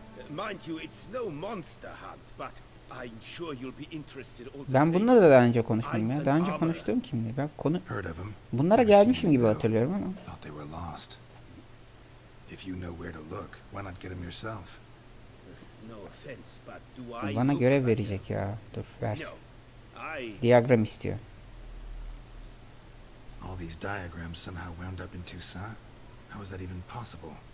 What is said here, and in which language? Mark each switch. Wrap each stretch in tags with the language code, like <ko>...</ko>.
<en>Mind you, it's no monster hunt, but I'm sure you'll be interested.</en> <tr>Ben bununla da daha önce konuşmadım ya. Daha önce konuştuğum kimdi? Ben konu... Bunlara gelmişim gibi hatırlıyorum ama.</tr> <en>Thought they were lost. If you know where to look, why not get them yourself? No offense, but do I...</en> <tr>Bana görev verecek ya. Dur, versin. Diagram istiyor.</tr> <en>All these diagrams somehow wound up in Toussaint. How is that even possible?</en>